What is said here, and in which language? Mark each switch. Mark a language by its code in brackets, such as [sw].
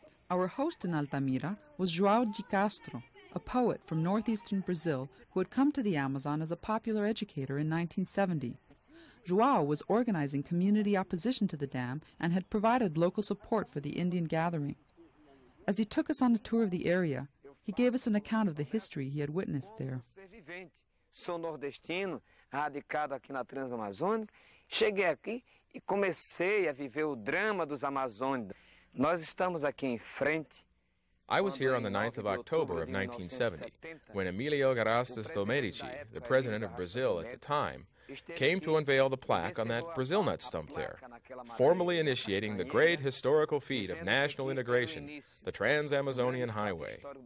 [en] Our host in Altamira was João de Castro, a poet from northeastern Brazil who had come to the Amazon as a popular educator in 1970. João was organizing community opposition to the dam and had provided local support for the Indian gathering. As he took us on a tour of the area, he gave us an account of the history he had witnessed there. [pt] Sou nordestino, radicado aqui na Transamazônica. Cheguei aqui e comecei a viver o drama dos amazônicos. Nós estamos aqui em frente. [en] I was here on the 9th of October of 1970, when Emilio Garrastas do Medici, the president of Brazil at the time, came to unveil the plaque on that Brazil nut stump there, formally initiating the great historical feat of national integration, the Trans-Amazonian Highway.